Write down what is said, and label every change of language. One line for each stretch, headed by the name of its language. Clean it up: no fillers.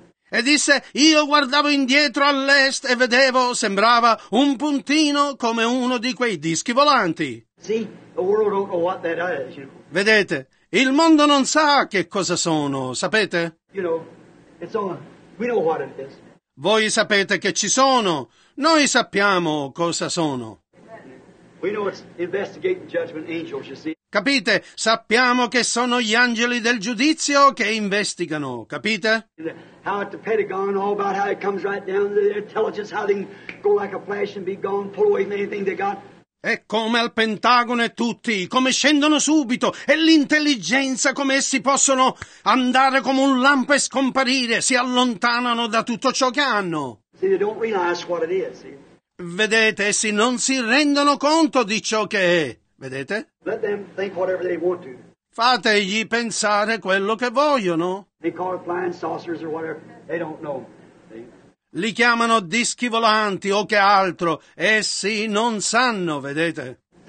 Italian: E disse, io guardavo indietro all'est e vedevo, sembrava un puntino come uno di quei dischi volanti.
English: See, the world don't know what that is, you know.
Italian: Vedete? Il mondo non sa che cosa sono, sapete?
English: You know, it's all, we know what it is.
Italian: Voi sapete che ci sono, noi sappiamo cosa sono.
English: We know it's investigating judgment angels, you see.
Italian: Capite? Sappiamo che sono gli angeli del giudizio che investigano, capite?
English: How at the Pentagon, all about how it comes right down to their intelligence, how they go like a flash and be gone, pull away from anything they got.
Italian: E come al Pentagono e tutti, come scendono subito, e l'intelligenza, come essi possono andare come un lampo e scomparire, si allontanano da tutto ciò che hanno.
English: See, they don't realize what it is, see?
Italian: Vedete, essi non si rendono conto di ciò che è, vedete?
English: Let them think whatever they want to.
Italian: Fategli pensare quello che vogliono.
English: They call it flying saucers or whatever, they don't know.
Italian: Li chiamano dischi volanti o che altro, essi non sanno, vedete?